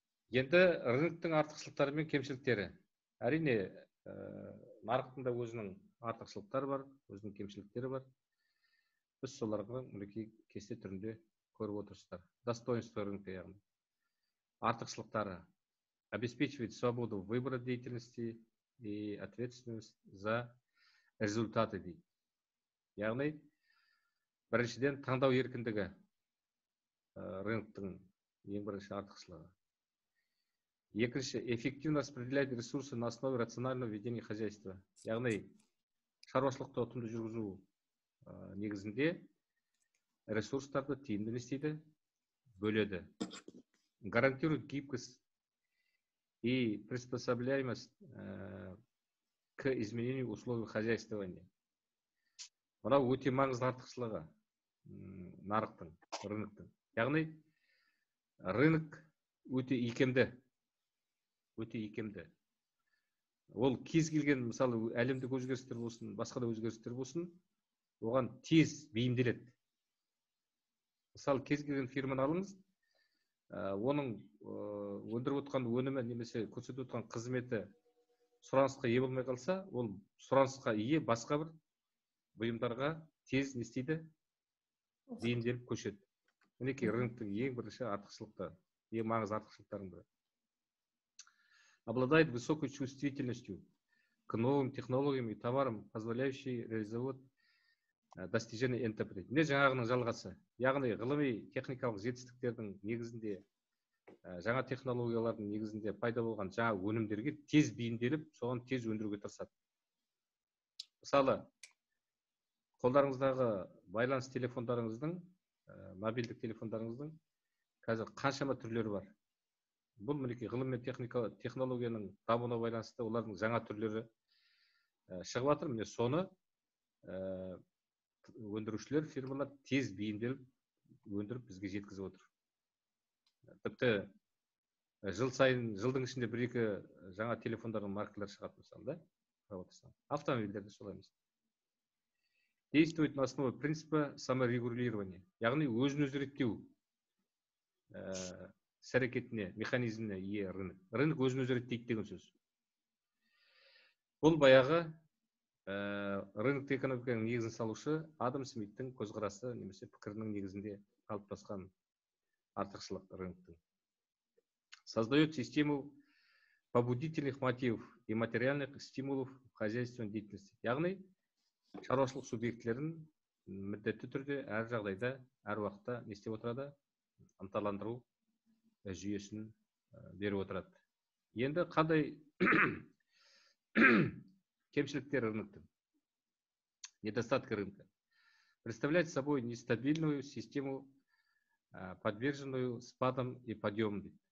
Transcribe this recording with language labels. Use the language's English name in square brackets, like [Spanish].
[Kazakh] Енді рыноктың артықшылықтары мен кемшіліктері. Әрине, нарықтың да өзінің артықшылықтары бар, өзінің кемшіліктері бар. Біз соларға мүлікі кесте түрінде көріп отырсыздар. [Russian] Достоинство рынка, [Kazakh] яғни. Артықшылықтары. [Russian] Обеспечивает свободу выбора деятельности и ответственность за результаты. [Kazakh] Яғни, біріншіден таңдау еркіндігі рыноктың ең бірінші артықшылығы. [Russian] Екінші, эффективно распределять ресурсы на основе рационального ведения хозяйства. [Kazakh] Яғни, шаруашылықты ұтымды жүргізу негізінде ресурстарды тиімді істейді, бөледі. [Russian] Гарантирует гибкость и приспособляемость к изменению условий хозяйствования. [Kazakh] Мынау өте маңызды артықшылығы нарықтың, рыноктың. Яғни, рынок өте икемді. Өте икемді. Ол кез келген, мысалы, әлемдік өзгерістер болсын, басқа да өзгерістер болсын, оған тез бейімделеді. Мысалы, кез келген фирманы алыңыз, оның өндіріп отқан өнімі немесе көрсетіп отқан қызметі сұранысқа ие болмай қалса, ол сұранысқа ие басқа бір бұйымдарға тез не істейді? Бейімделіп көшеді. Мінекей рыноктың ең бірінші артықшылықты, ең маңызды артықшылықтарының бірі. [Russian] Обладает высокой чувствительностью к новым технологиям и товарам, позволяющим реализовать достижения энтеприз. [Kazakh] Не жаңағының жалғасы. Яғни, ғылыми техникалық жетістіктердің негізінде, жаңа технологиялардың негізінде пайда болған жаңа өнімдерге тез бейімделіп, соған тез өндіруге тырысады. Мысалы, қолдарыңыздағы байланыс телефондарыңыздың, мобильдік телефондарыңыздың қазір қаншама түрлері бар. Бұл мүлікі ғылым мен технологияның дамуына байланысты олардың жаңа түрлері шығып атыр. Міне соны өндірушілер, фирмалар тез бейімделіп, өндіріп бізге жеткізіп отыр. Тіпті жыл сайын, жылдың ішінде бір-екі жаңа телефондардың маркалары шығады мысалы, да? Автомобильдерді солай емес. [Russian] Действует на основе принципа саморегулирования. [Kazakh] Яғни өзін-өзі реттеу. Сәрекетіне, механизміне ие рынок. Рынок өзін-өзі реттейді деген сөз. Бұл баяғы рынокты экономиканың негізін салушы Адам Смиттің көзқарасы немесе пікірінің негізінде қалыптасқан артықшылық рыноктың. [Russian] Создает систему побудительных мотивов и материальных стимулов в хозяйственной деятельности. [Kazakh] Яғни, шаруашылық субъектілерін міндетті түрде әр жағдайда, әр уақытта не істеп отырады? Ынталандыру жүйесін беріп отырады. Енді қандай кемшіліктер рыноктың? [Russian] Недостатки рынка. Представляет собой нестабильную систему, подверженную спадам и подъемам.